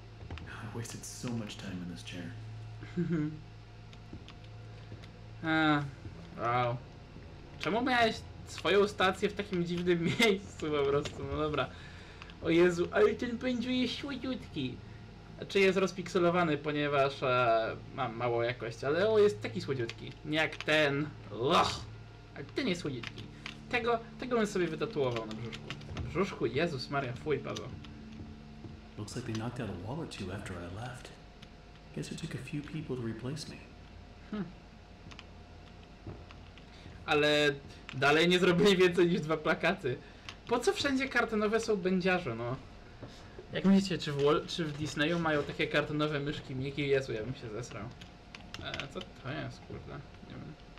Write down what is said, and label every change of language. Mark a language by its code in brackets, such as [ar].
[en] I wasted so much time in this chair. Wow. [pl] Czemu miałeś swoją stację w takim dziwnym miejscu po prostu? No dobra. O Jezu, ale ten pędziu jest słodziutki. Znaczy jest rozpikselowany, ponieważ mam mało jakość, ale o, jest taki słodziutki. Nie jak ten. Loch. Ale ten jest słodziutki. Tego bym sobie wytatuował na brzuszku. Na brzuszku? Jezus Maria, fuj, Paweł. [en] Looks like they knocked out a wall or two after I left. Guess it took a few people to replace me. [pl] ale dalej nie zrobili więcej niż dwa plakaty. Po co wszędzie kartonowe są będziarze, no? Jak myślicie, czy w Disneyu mają takie kartonowe myszki Mickey? Jezu, ja bym się zesrał. Co to jest, kurde? Nie wiem.